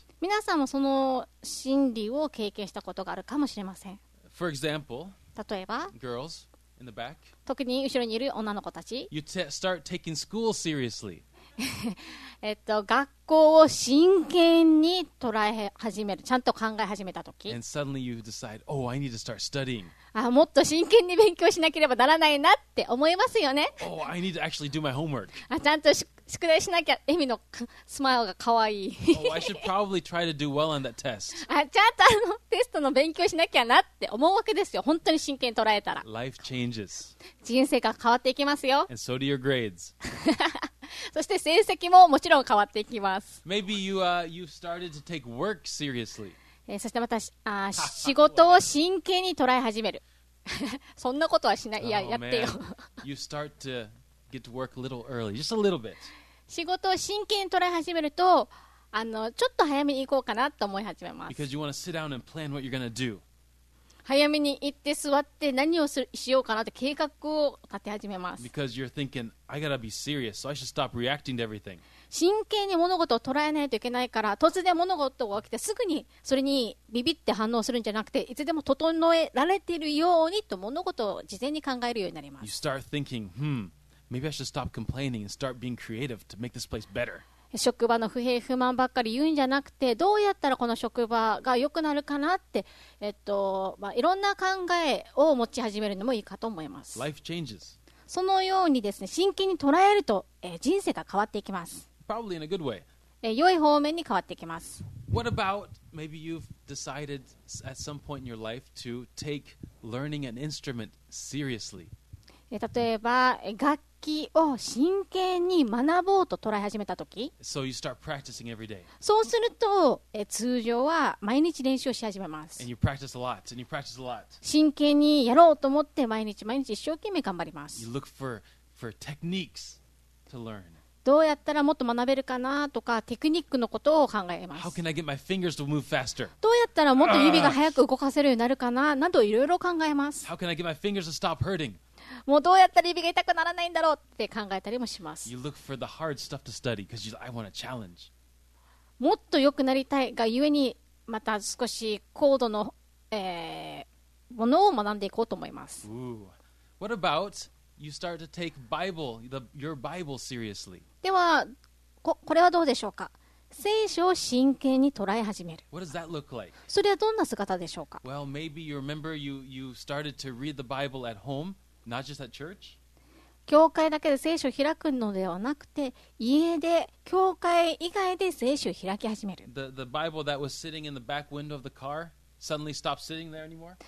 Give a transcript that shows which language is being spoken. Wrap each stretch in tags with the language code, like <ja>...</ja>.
<ja>皆さんもその心理を経験したことがあるかもしれません。</ja> <en>For example,</en> <ja>例えば、</ja> <en>girls in the back,</en> <ja>特に後ろにいる女の子たち、</ja> <en>you start taking school seriously.</en> <ja>学校を真剣に捉え始める、ちゃんと考え始めたとき、</ja> <en>and suddenly you decide, oh, I need to start studying.</en> <ja>もっと真剣に勉強しなければならないなって思いますよね。</ja> <en>oh, I need to actually do my homework.</en> <ja>ちゃんと宿題しなきゃ、エミのスマイルがかわいい。</ja> <en>oh, I should probably try to do well on that test.</en> <ja>ちゃんとテストの勉強しなきゃなって思うわけですよ。本当に真剣に捉えたら。</ja> <en>Life changes.</en> <ja>人生が変わっていきますよ。</ja> <en>And so do your grades.</en> <ja>そして成績ももちろん変わっていきます。</ja> <en>Maybe you've started to take work seriously.</en> <ja>そしてまた仕事を真剣に捉え始める。そんなことはしない、いや、</ja> <en>oh,</en> <ja>やってよ。</ja> <en>You start to get to work a little early, just a little bit.</en> <ja>仕事を真剣に捉え始めると、ちょっと早めに行こうかなと思い始めます。</ja> <en>Because you want to sit down and plan what you're going to do.</en> <ja>早めに行って座って何をしようかなって計画を立て始めます。</ja> <en>Because you're thinking, I gotta be serious, so I should stop reacting to everything.</en> <ja>真剣に物事を捉えないといけないから、突然物事が起きてすぐにそれにビビって反応するんじゃなくて、いつでも整えられているようにと物事を事前に考えるようになります。</ja> <en>You start thinking, maybe I should stop complaining and start being creative to make this place better.</en> <ja>職場の不平不満ばっかり言うんじゃなくて、どうやったらこの職場が良くなるかなって、いろんな考えを持ち始めるのもいいかと思います。</ja> <en>Life changes.</en> <ja>そのようにですね、真剣に捉えると、人生が変わっていきます。</ja> <en>Probably in a good way.</en> <ja>良い方面に変わっていきます。</ja> <en>What about maybe you've decided at some point in your life to take learning an instrument seriously?</en> <ja>例えば楽器を真剣に学ぼうと捉え始めたとき、</ja> <en>so you start practicing every day.</en> <ja>そうすると通常は毎日練習をし始めます。</ja> <en>and you practice a lot, and you practice a lot.</en> <ja>真剣にやろうと思って毎日毎日一生懸命頑張ります。</ja> <en>you look for techniques to learn.</en> <ja>どうやったらもっと学べるかなとか、テクニックのことを考えます。</ja> <en>How can I get my fingers to move faster?</en> <ja>どうやったらもっと指が早く動かせるようになるかな、などいろいろ考えます。</ja> <en>How can I get my fingers to stop hurting?</en> <ja>もうどうやったら指が痛くならないんだろうって考えたりもします。</ja> <en>You look for the hard stuff to study because you, I want a challenge.</en> <ja>もっと良くなりたいがゆえに、また少し高度の、ものを学んでいこうと思います。 Ooh.</ja> <en>What about you start to take Bible, your Bible seriously?</en> <ja>では これはどうでしょうか。聖書を真剣に捉え始める。</ja> <en>What does that look like?</en> <ja>それはどんな姿でしょうか。</ja> <en>Well, maybe you remember you started to read the Bible at homeNot just at church?</en> <ja>教会だけで聖書を開くのではなくて、家で、教会以外で聖書を開き始める。</ja> <en>The Bible that was sitting in the back window of the car suddenly stopped sitting there anymore?</en>